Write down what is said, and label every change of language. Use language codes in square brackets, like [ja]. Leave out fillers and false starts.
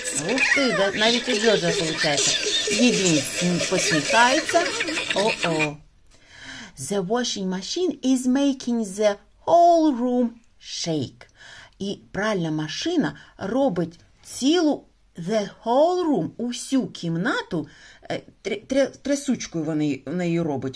[uk] Ух ти, навіть у Джорджа виходить. Єдиний посміхається. О-о. [en] The washing machine is making the whole room shake. [uk] І пральна машина робить цілу [en] the whole room, [uk] усю кімнату, трясучкою вона її робить.